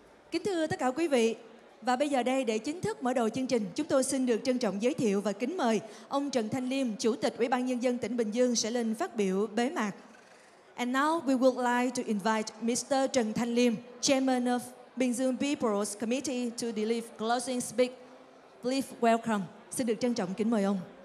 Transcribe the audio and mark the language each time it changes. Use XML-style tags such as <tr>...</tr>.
<vi>Kính thưa tất cả quý vị, và bây giờ đây, để chính thức mở đầu chương trình, chúng tôi xin được trân trọng giới thiệu và kính mời ông Trần Thanh Liêm, Chủ tịch Ủy ban Nhân dân tỉnh Bình Dương sẽ lên phát biểu bế mạc.</vi> <en>And now we would like to invite Mr. Trần Thanh Liêm, Chairman of Bình Dương People's Committee, to deliver closing speech. Please welcome.</en> <vi>Xin được trân trọng kính mời ông.</vi>